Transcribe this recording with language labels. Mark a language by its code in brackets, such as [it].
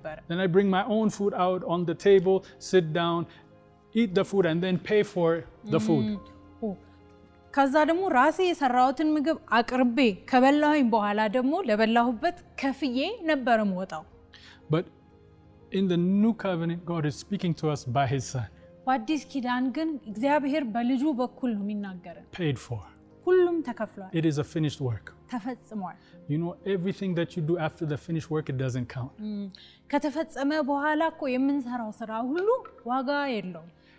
[en] Then I bring my own food out on the table, sit down, eat the food, and then pay for the food. [am] ከዛ ደሞ ራሴ የሰራሁትን ምግብ አቅርቤ ከበላሁኝ በኋላ ደሞ ለበላሁበት ከፍዬ ነበር የምወጣው። [en] But in the new covenant, God is speaking to us by his son. [am] ዋዲ ስኪዳን ግን እግዚአብሔር በልጁ በኩል ነው የሚናገረን። [en] Paid for. [am] ሁሉም ተከፍሏል። [en] It is a finished work. [am] ተፈጽሟል። [en] You know, everything that you do after the finished work, it doesn't count. [am] ከተፈጸመ በኋላ እኮ የምንሰራው ስራ ሁሉ ዋጋ የለውም።